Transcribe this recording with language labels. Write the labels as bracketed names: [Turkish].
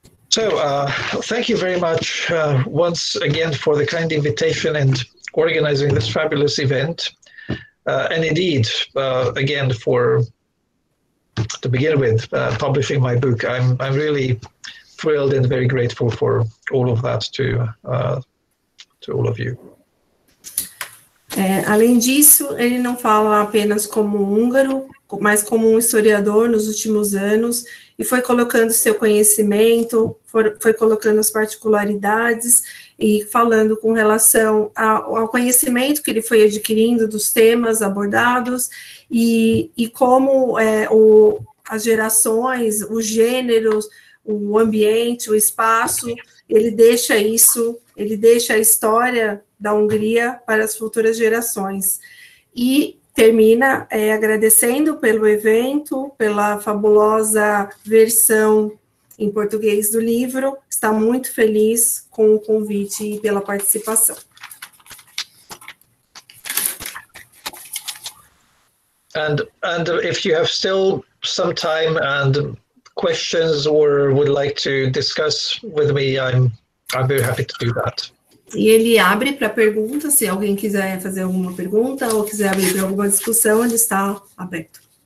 [English] So thank you very much once again for the kind invitation and organizing this fabulous event. And indeed, again, for, to begin with, publishing my book. I'm really thrilled and very grateful for all of that to all of you. [Portuguese] Além disso, ele não fala apenas como húngaro, mas como historiador nos últimos anos, e foi colocando seu conhecimento, foi colocando as particularidades e falando com relação ao conhecimento que ele foi adquirindo dos temas abordados e como as gerações, os gêneros, o ambiente, o espaço, ele deixa isso, ele deixa a história da Hungria para as futuras gerações. E termina agradecendo pelo evento, pela fabulosa versão em português do livro. Está muito feliz com o convite e pela participação. [English] And if you have still some time and questions or would like to discuss with me, I'm very happy to do that. [Portuguese] E ele abre para perguntas, se alguém quiser fazer alguma pergunta ou quiser abrir para alguma discussão, ele está aberto.